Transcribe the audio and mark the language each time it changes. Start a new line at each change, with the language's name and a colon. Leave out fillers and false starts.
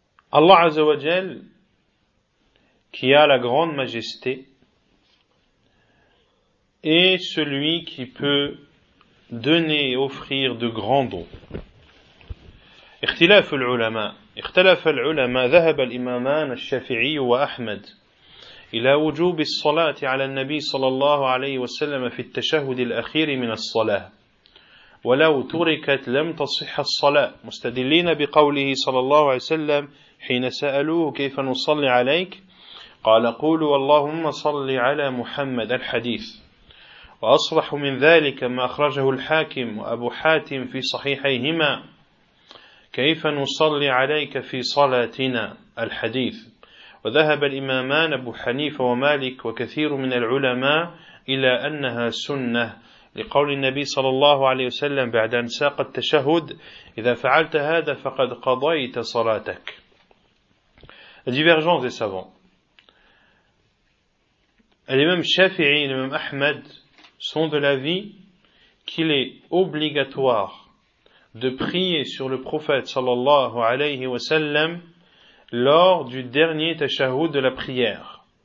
French: Allah Azza wa Jal, qui a la grande majesté, est celui qui peut donner et offrir de grands dons.
Arabic: اختلاف العلماء اختلف العلماء ذهب الإمامان الشافعي وأحمد إلى وجوب الصلاة على النبي صلى الله عليه وسلم في التشهد الأخير من الصلاة ولو تركت لم تصح الصلاة مستدلين بقوله صلى الله عليه وسلم حين سألوه كيف نصلي عليك قال قولوا اللهم صل على محمد الحديث وأصرح من ذلك ما أخرجه الحاكم وأبو حاتم في صحيحيهما كيف نصلي عليك في صلاتنا الحديث وذهب الإمامان أبو حنيفة ومالك وكثير من العلماء إلى أنها سنة لقول النبي صلى الله عليه وسلم بعد أن ساق التشهد إذا فعلت هذا فقد قضيت صلاتك.
French: Divergence des savants. L'imam Shafi'i et l'imam Ahmed sont de l'avis qu'il est obligatoire de prier sur le prophète sallallahu alayhi wa sallam lors du dernier tashahoud de la prière.